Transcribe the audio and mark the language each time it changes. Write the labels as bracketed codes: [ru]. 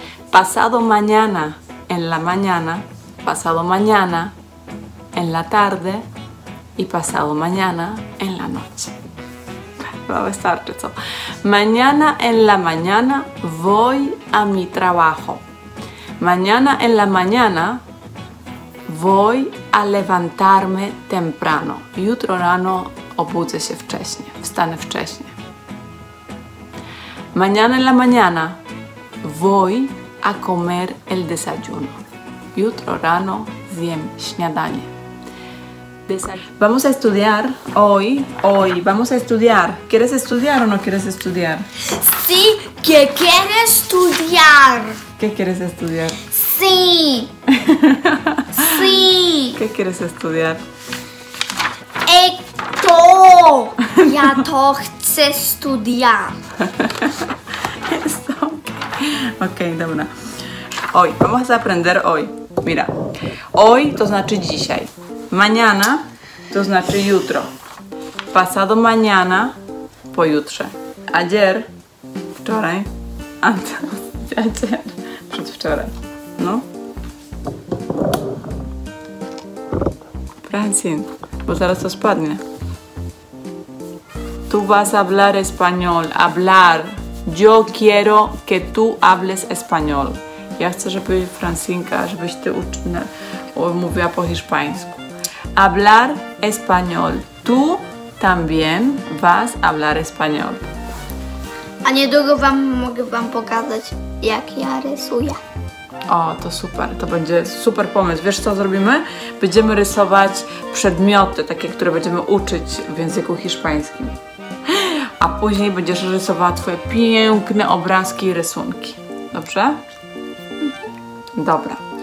[es] Pasado mañana en la mañana, pasado mañana en la tarde y pasado mañana en la noche. [pl] Wystarczy, co? [es] Mañana en la mañana voy a mi trabajo. Mañana en la mañana voy a levantarme temprano. [pl] Jutro rano obudzę się wcześnie, wstanę wcześnie. [es] Mañana en la mañana voy a comer el desayuno. [pl] Jutro rano zjem śniadanie. [es] Vamos a estudiar hoy. Vamos a estudiar. ¿Quieres estudiar o no quieres estudiar? Sí, que quiero estudiar. ¿Qué quieres estudiar? Sí. Sí. ¿Qué quieres estudiar? Esto. [pl] Ya to chcę estudiar. [es] Esto. [pl] Ok, dobra. [es] Hoy, vamos a aprender hoy. [pl] Mira, hoy to znaczy dzisiaj. Mañana to znaczy jutro. [es] Pasado mañana, pojutrze. Ayer, wczoraj. Antes de ayer, przedwczoraj. No. [pl] Francin, bo zaraz to spadnie. [es] Tu vas a hablar español. Hablar. Yo quiero que tú hables español. [pl] Ja chcę, żeby Francinka, żebyś ty mówiła po hiszpańsku. [es] Hablar español. Tú también vas a hablar español. [pl] A niedługo wam mogę wam pokazać, jak ja rysuję. O, to super. To będzie super pomysł. Wiesz, co zrobimy? Będziemy rysować przedmioty, takie, które będziemy uczyć w języku hiszpańskim. A później będziesz rysowała twoje piękne obrazki i rysunki. Dobrze? Dobra.